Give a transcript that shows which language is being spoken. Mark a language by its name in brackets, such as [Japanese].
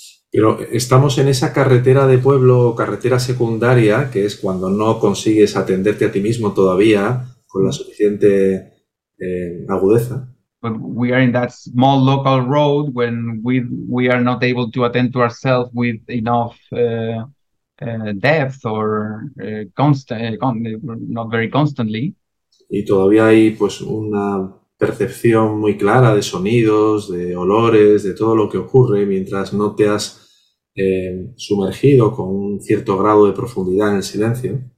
[Spanish] Pero estamos en esa carretera de pueblo o carretera secundaria, que es cuando no consigues atenderte a ti mismo todavía con la suficiente agudeza. [English] But we are in that small local road when we are not able to attend to ourselves with enough depth or not very constantly. [Spanish] Y todavía hay pues una percepción muy clara de sonidos, de olores, de todo lo que ocurre mientras no te has sumergido con un cierto grado de profundidad en el silencio.